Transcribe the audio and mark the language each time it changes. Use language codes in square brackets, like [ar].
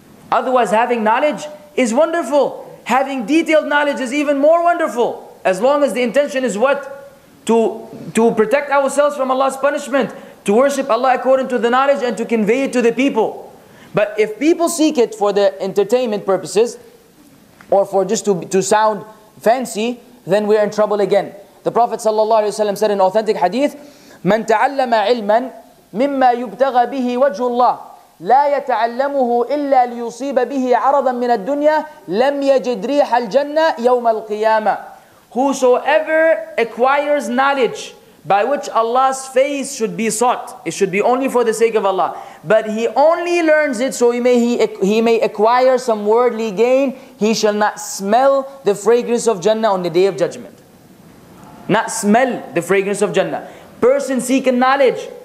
[en] Otherwise, having knowledge is wonderful. Having detailed knowledge is even more wonderful, as long as the intention is what? To protect ourselves from Allah's punishment, to worship Allah according to the knowledge and to convey it to the people. But if people seek it for the entertainment purposes, or for just to sound fancy, then we're in trouble again. The Prophet ﷺ said in authentic hadith, [ar] مَنْ تَعَلَّمَ عِلْمًا مِمَّا يُبْتَغَ بِهِ وَجْهُ اللَّهِ لا يتعلمه إلا ليصيب به عرضا من الدنيا لم يجد ريح الجنة يوم القيامة. [en] Whosoever acquires knowledge by which Allah's face should be sought, it should be only for the sake of Allah, but he only learns it so he may acquire some worldly gain, he shall not smell the fragrance of Jannah on the day of judgment. Not smell the fragrance of Jannah. Person seeking knowledge,